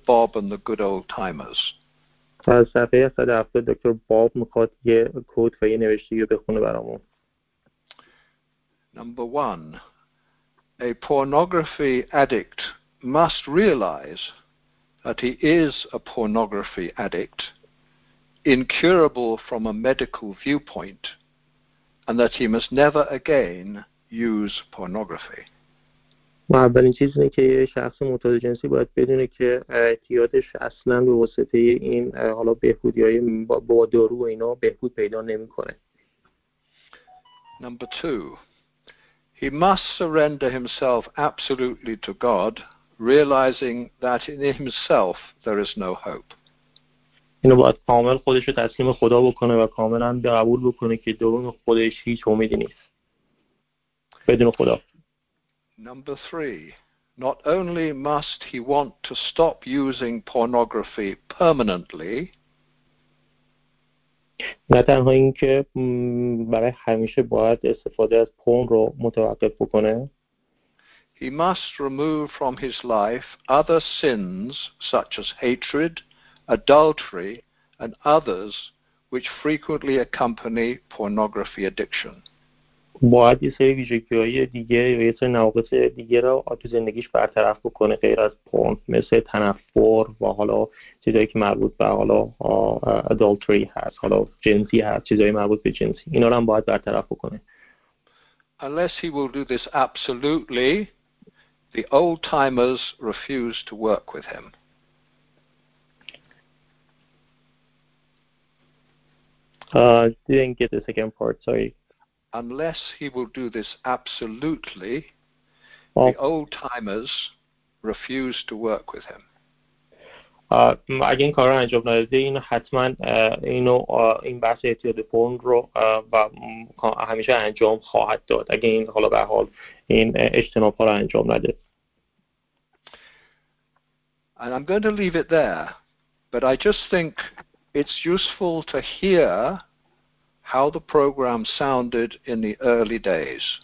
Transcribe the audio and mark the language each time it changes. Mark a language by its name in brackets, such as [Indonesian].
[English] Bob and the Good Old Timers. [Persian] از صفحه 170 دکتر باب میخواد یه کد و یه نوشته رو بخونه برامون. [English] Number one, a pornography addict must realize that he is a pornography addict, incurable from a medical viewpoint, and that he must never again use pornography. [Persian] و اولین چیز اینه که یه شخص معتاد جنسی باید بدونه که اعتیادش اصلا به واسطه این حالا بهبودی های با دارو و اینا بهبود پیدا نمی کنه. [English] Number two, he must surrender himself absolutely to God, realizing that in himself there is no hope. [Persian] اینو باید کامل خودش رو تسلیم خدا بکنه و کاملا قبول بکنه که درون خودش هیچ امیدی نیست بدون خدا. [English] Number three, not only must he want to stop using pornography permanently, [Persian] نه تنها اینکه برای همیشه باید استفاده از پورن رو متوقف بکنه. [English] He must remove from his life other sins such as hatred, adultery, and others which frequently accompany pornography addiction. [Persian] باید یه سری ویژگی‌های دیگه یا یه سری نواقص دیگه رو تو زندگیش برطرف بکنه غیر از پورن، مثل تنفر و حالا چیزایی که مربوط به حالا ادالتری هست، حالا جنسی هست، چیزایی مربوط به جنسی، اینا رو هم باید برطرف بکنه. [English] Unless he will do this absolutely, the old timers refuse to work with him. Didn't get the second part, sorry. Unless he will do this absolutely, the old timers refuse to work with him. [Persian] Again, کار انجام نداده اینو حتما اینو این بحث اعتیاد پورن رو و همیشه انجام خواهد داد. اگه این حالا به حال این اجتناب ها رو انجام نده. [English] And I'm going to leave it there, but I just think it's useful to hear how the program sounded in the early days.